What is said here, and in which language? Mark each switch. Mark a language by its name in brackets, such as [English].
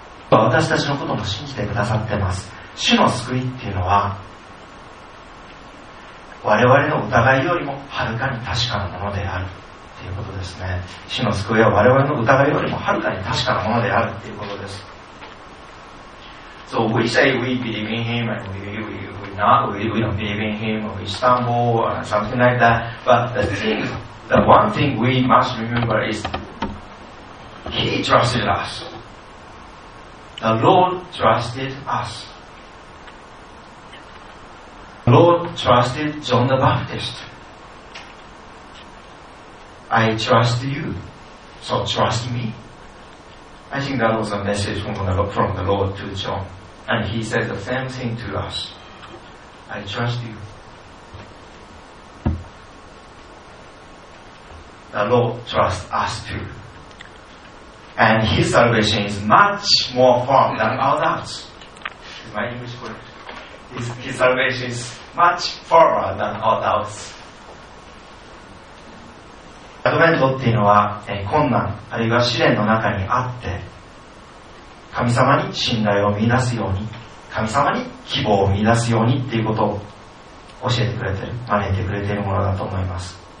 [Japanese] 私たちのことも信じてくださってます。主の救いっていうのは我々の疑いよりもはるかに確かなものであるということですね。主の救いは我々の疑いよりもはるかに確かなものであるということです。 [English] So we say we believe in him and we don't believe in him or we stumble or something like that, but the one thing we must remember is he trusted us. The Lord trusted us. The Lord trusted John the Baptist. I trust you, so trust me. I think that was a message from the Lord to John, and he said the same thing to us. I trust you. The Lord trusts us too. And his salvation is much more firm than our doubts. Is my English correct? His salvation is much firmer than our doubts. [Japanese] アドベントっていうのは、困難あるいは試練の中にあって神様に信頼を見出すように、神様に希望を見出すようにっていうことを教えてくれてる、招いてくれているものだと思います。